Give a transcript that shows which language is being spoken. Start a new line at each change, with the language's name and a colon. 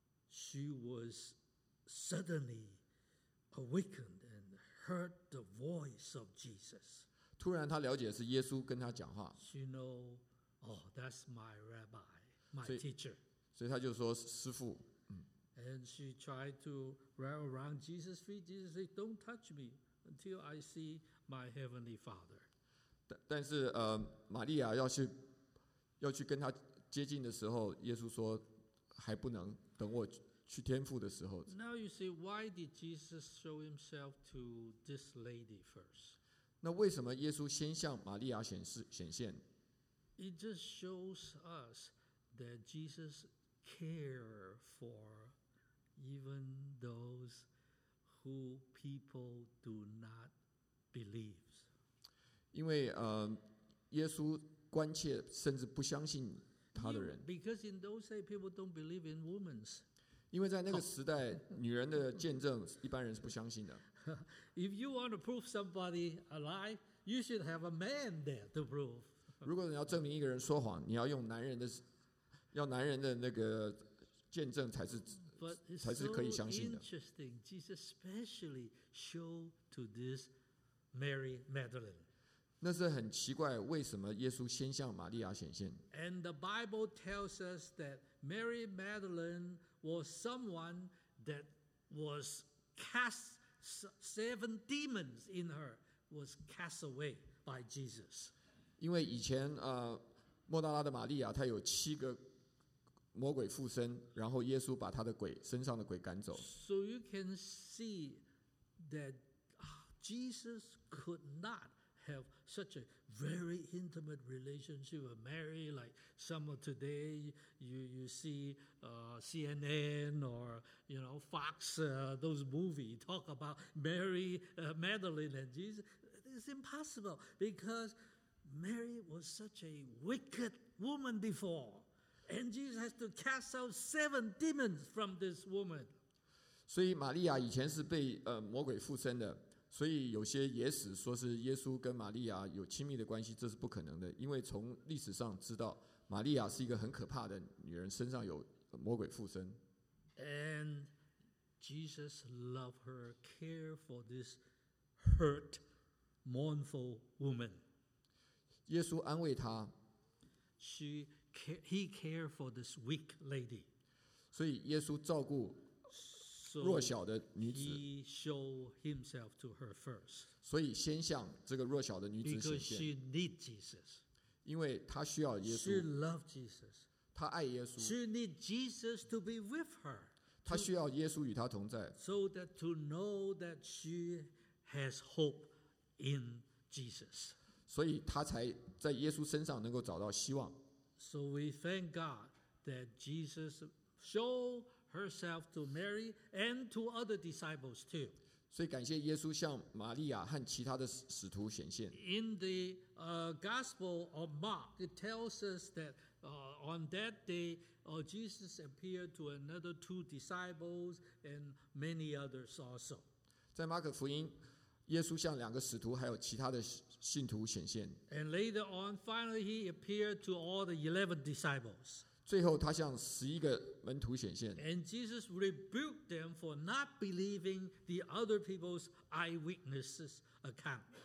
English: She was suddenly awakened and heard the voice of Jesus.
Chinese: 突然他了解是耶稣跟他讲话。
English: She know, oh, that's my rabbi, my teacher.
Chinese: 所以他就说师父。
English: And she tried to wrap around Jesus' feet. Jesus said, don't touch me until I see my heavenly father.
Chinese: 但是玛利亚要去跟他接近的时候，耶稣说还不能，等我去天父的时候。
English: Now you see, why did Jesus show himself to this lady first?
Chinese: 那为什么耶稣先向玛利亚显现
English: ？It just shows us that Jesus care for even those who people do not believe.
Chinese: 因为耶稣关切甚至不相信他的人。
English: Because in those days people don't believe in women.
Chinese: 因为在那个时代，女人的见证一般人是不相信的。
English: If you want to prove somebody a lie, you should have a man there to prove.
Chinese: 如果你要证明一个人说谎，你要用男人的那个见证才是可以相信的。
English: But it's so interesting. Jesus specially showed to this Mary Magdalene.
Chinese: 那是很奇怪，为什么耶稣先向玛利亚显现
English: ？And the Bible tells us that Mary Magdalene was someone that was cast seven demons in her was cast away by Jesus.
Chinese: 因为以前莫大拉的玛利亚，她有七个魔鬼附身，然后耶稣把她的鬼身上的鬼赶走。
English: So you can see that Jesus could not have such a very intimate relationship with Mary, like some of today you see CNN or you know Fox those movie talk about Mary, Magdalene and Jesus. It's impossible because Mary was such a wicked woman before. And Jesus has to cast out seven demons from this woman.
Chinese: 所以玛利亚以前是被魔鬼附身的，所以有些野史说是耶稣跟玛利亚有亲密的关系，这是不可能的，因为从历史上知道玛利亚是一个很可怕的女人，身上有魔鬼附身。
English: And Jesus loved her, care for this hurt, mournful woman.
Chinese: 耶稣安慰她。
English: He cared for this weak lady.
Chinese: 所以耶稣照顾弱小的女子。
English: So、he showed himself to her first.
Chinese: 所以先向这个弱小的女子显现。
English: Because she need Jesus.
Chinese: 因为她需要耶稣。
English: She love Jesus.
Chinese: 她爱耶稣。
English: She need Jesus to be with her.
Chinese: 她需要耶稣与她同在。
English: So that to know that she has hope in Jesus.
Chinese: 所以她才在耶稣身上能够找到希望。
English: So we thank God that Jesus showed herself to Mary and to other disciples too.
Chinese: 所以感谢耶稣向玛利亚和其他的使徒显现。
English: In the Gospel of Mark, it tells us that on that day, Jesus appeared to another two disciples and many others also.
Chinese: 在马可福音，耶稣向两个使徒还有其他的信徒显现。
English: And later on, finally, he appeared to all the 11 disciples.
Chinese: 最后，他向十一个门徒显现。
English: And Jesus rebuked them for not believing the other people's eyewitnesses account.